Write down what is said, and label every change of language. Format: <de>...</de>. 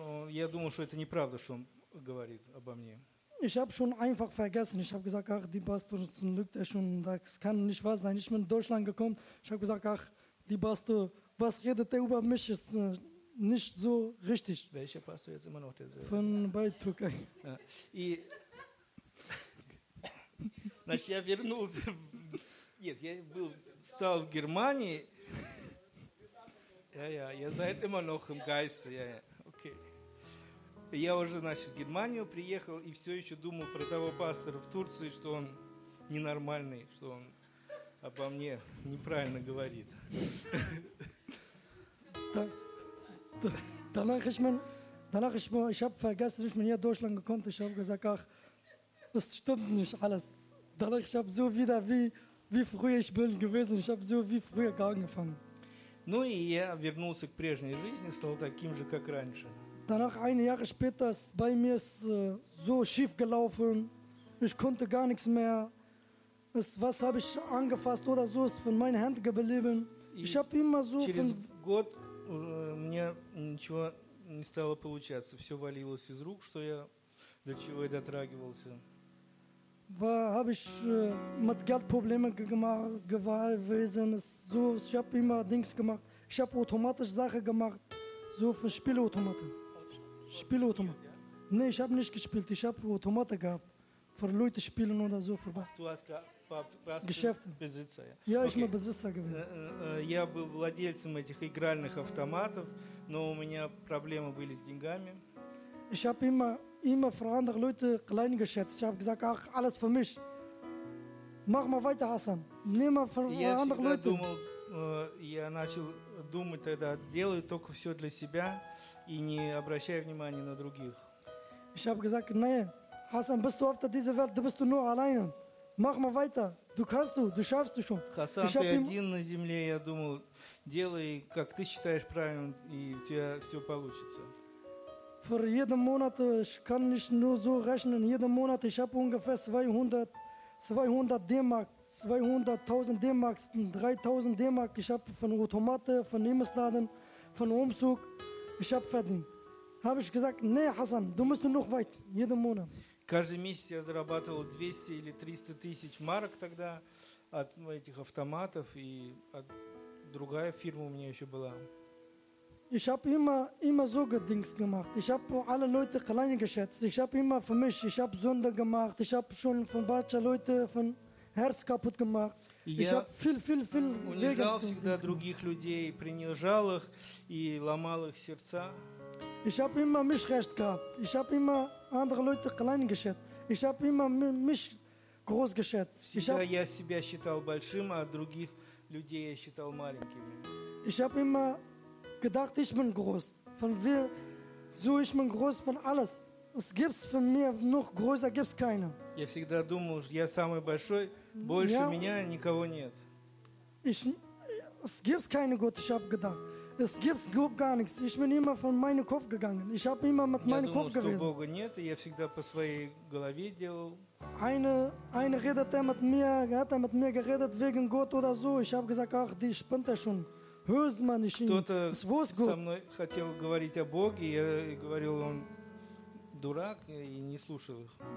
<ru>Я думал, что это неправда, что он говорит обо мне.</ru> <de>Ich habe schon einfach vergessen. Ich habe gesagt, ach, die Basto lügt er schon. Das kann nicht wahr sein. Ich bin in Deutschland gekommen. Ich habe gesagt, ach, die Basto, was redet er über mich? Ist nicht so richtig. Welcher Basto jetzt immer noch? Von bei Türkei.</de> <ru>И, значит, я вернулся. Нет, я был, стал в Германии.</ru> <de>Ja,</de> <ru>я за это</ru> <de>immer noch im Geist. Ja. Okay.</de> <ru>Я уже, значит, в Германию приехал и все еще думал про того пастора в Турции, что он ненормальный, что он обо мне неправильно говорит.</ru> <de>Danach ich mein, ich habe vergessen, ich bin hier Deutschland gekommen, ich habe gesagt, ach, das stimmt nicht alles. Danach ich habe so wieder wie früher ich bin gewesen, ich habe so wie früher angefangen.</de> <ru>Ну и я вернулся к прежней жизни, стал таким же, как раньше.</ru> <de>Danach, ein Jahr später, ist bei mir ist, so schief gelaufen. Ich konnte gar nichts mehr. Was habe ich angefasst oder so, ist von meinen Händen geblieben. Ich habe immer so...</de> <ru>Через год мне ничего не стало получаться. Все валилось из рук, что я до чего я дотрагивался.</ru> <de>habe ich mit Geldproblemen gewesen. So, ich habe immer Dings gemacht. Ich habe automatisch Sachen gemacht, so für Spielautomaten. Nein, ich habe nicht gespielt. Ich habe Automaten gehabt, für Leute spielen oder so. Für du hast Geschäfte. Besitzer, ja. Ja, okay. Ich bin Besitzer gewesen.</de> <ru>Я был владельцем этих игральных автоматов, но у меня проблемы были с деньгами.</ru> <de>Ich habe immer für andere Leute klein geschätzt. Ich habe gesagt, ach, alles für mich. Mach mal weiter, Hassan. Nimm mal für andere Leute.</de> <ru>Я начал думать тогда, делаю только все для себя и не обращая внимания на других.</ru> <de>Ich habe gesagt, nein, Hassan, bist du auf dieser Welt, du bist nur alleine. Mach mal weiter, du kannst du schaffst du schon.</de> <ru>Hassan, ты один на земле, я думал, делай, как ты считаешь правильным, и у тебя все получится.</ru> <de>Für jeden Monat, ich kann nicht nur so rechnen, jeden Monat, ich habe ungefähr 200 D-Mark, 200.000 D-Mark, 3.000 D-Mark, ich habe von Automaten, von Imbissladen, von Umzug, ich habe verdient. Habe ich gesagt, nee, Hassan, du musst noch weit, jeden Monat.</de> <ru>Каждый месяц я зарабатывал 200 или 300 тысяч марок тогда от этих автоматов, и другая фирма у меня еще была.</ru> <de>Ich habe immer so Dings gemacht. Ich habe alle Leute klein geschätzt. Ich habe immer für mich, ich habe Sünde gemacht. Ich habe schon von Batscher Leute von Herz kaputt gemacht. Ich habe viel</de> <ru>унижал всегда других людей, принижал их и ломал их сердца.</ru> <de>Ich habe immer mich recht gehabt. Ich habe immer andere Leute klein geschätzt. Ich habe immer mich groß geschätzt.</de> <ru>Я себя считал большим, а других людей я считал маленькими.</ru> <de>Ich habe immer gedacht, ich bin groß. Von wir, so ich bin groß von alles. Es gibt für mich noch größer, gibt es keine.</de> <ru>Я всегда думал, я самый большой, больше меня никого нет.</ru> <de>Es gibt keine Gott, ich habe gedacht. Es gibt überhaupt gar nichts. Ich bin immer von meinem Kopf gegangen. Ich habe immer mit meinem Kopf gewesen.</de> <ru>Я думал, что Бога нет, и я всегда по своей голове делал.</ru> <de>Eine redet er mit mir, hat er mit mir geredet wegen Gott oder so. Ich habe gesagt, ach, die spinnt er schon. Hörst man nicht ihn.</de> <ru>Кто-то со мной хотел говорить о Боге, я говорил, он дурак, и не слушал их.</ru>